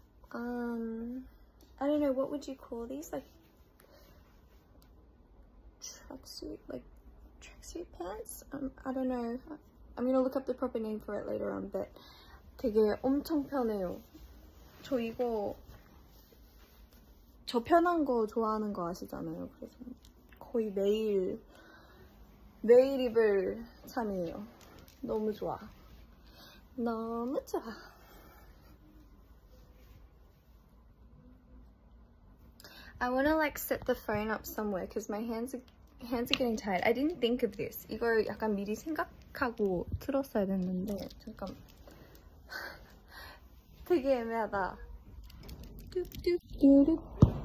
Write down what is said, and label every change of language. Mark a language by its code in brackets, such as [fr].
[en] I don't know, what would you call these? Like, tracksuit pants? I don't know. I'm gonna look up the proper name for it later on, but [ko] 되게 엄청 편해요. 저 이거, 저 편한 거 좋아하는 거 아시잖아요. 그래서 거의 매일 입을 참이에요. 너무 좋아. 너무 좋아. [en] 아, I wanna like set the phone up somewhere because my hands are getting tired. I didn't think of this. [ko] 이걸 약간 미리 생각하고 틀었어야 됐는데 잠깐. 되게 애매하다. 뚝뚝뚝뚝.